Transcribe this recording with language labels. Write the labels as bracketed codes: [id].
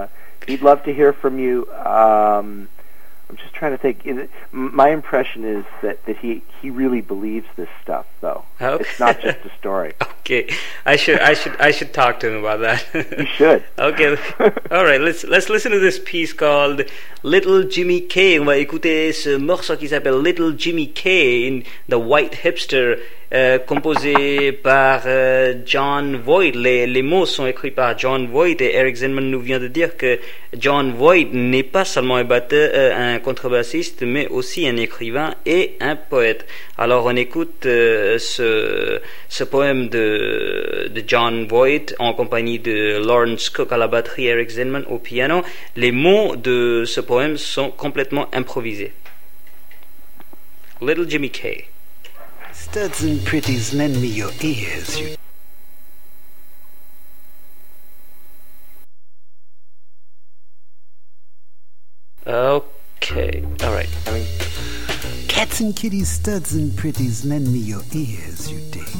[en] And he'd love to hear from you. I'm just trying to think. My impression is that he really believes this stuff, though. Okay. It's not just a story. Okay, I should talk to him about that. You should. Okay. All right. Let's listen to this piece called Little Jimmy K. [fr] On va écouter ce morceau qui s'appelle Little Jimmy K. In the White Hipster. Composé par John Voight. Les mots sont écrits par John Voight et Eric Zinman nous vient de dire que John Voight n'est pas seulement un contrebassiste mais aussi un écrivain et un poète. Alors on écoute ce poème de John Voight en compagnie de Lawrence Cook à la batterie, Eric Zinman au piano. Les mots de ce poème sont complètement improvisés. [en] Little Jimmy Kay. Studs and pretties, lend me your ears, you... Okay, all right. Cats and kitties, studs and pretties, lend me your ears, you dig.